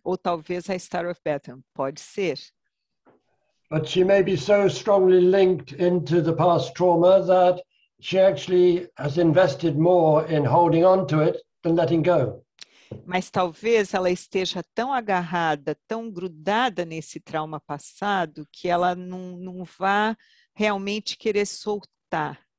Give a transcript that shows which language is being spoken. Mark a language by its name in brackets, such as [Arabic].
[Portuguese] Ou talvez a Star of Bethlehem. Pode ser. [English] But she may be so strongly linked into the past trauma that she actually has invested more in holding on to it than letting go. [Portuguese] Mas talvez ela esteja tão agarrada, tão grudada nesse trauma passado que ela não vá realmente querer soltar.